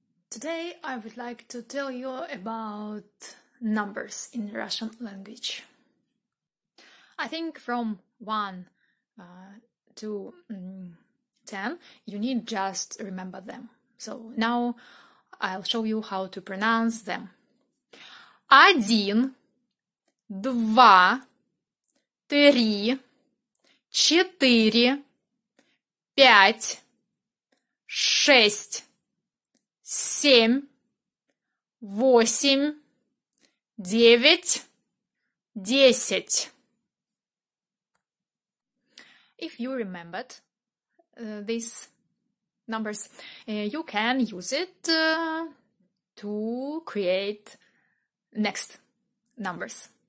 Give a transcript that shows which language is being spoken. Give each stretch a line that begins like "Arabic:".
English: Today I would like to tell you about numbers in Russian language. I think from 1 to 10, you need just remember them. So now I'll show you how to pronounce them.
Russian: Один, два, три, четыре, пять, шесть, семь, восемь, девять, десять.
English: If you remembered these numbers, you can use it to create next numbers.